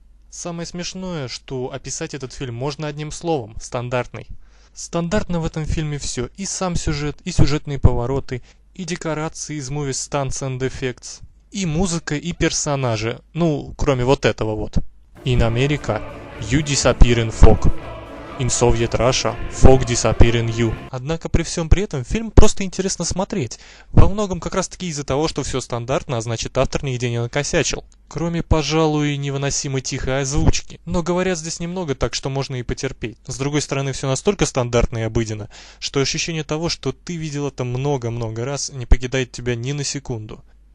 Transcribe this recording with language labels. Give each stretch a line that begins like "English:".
Russian: Самое смешное, что описать этот фильм можно одним словом — стандартный. Стандартно в этом фильме все, и сам сюжет, и сюжетные повороты, и декорации из Movies Stunts and Effects, и музыка, и персонажи, ну, кроме вот этого вот.
English: In America, you disappear in fog. In Soviet Russia, fog disappear in you.
Russian: Однако при всем при этом, фильм просто интересно смотреть, во многом как раз таки из-за того, что все стандартно, а значит автор нигде не накосячил. Кроме, пожалуй, невыносимо тихой озвучки. Но говорят здесь немного, так что можно и потерпеть. С другой стороны, все настолько стандартно и обыденно, что ощущение того, что ты видел это много-много раз, не покидает тебя ни на секунду.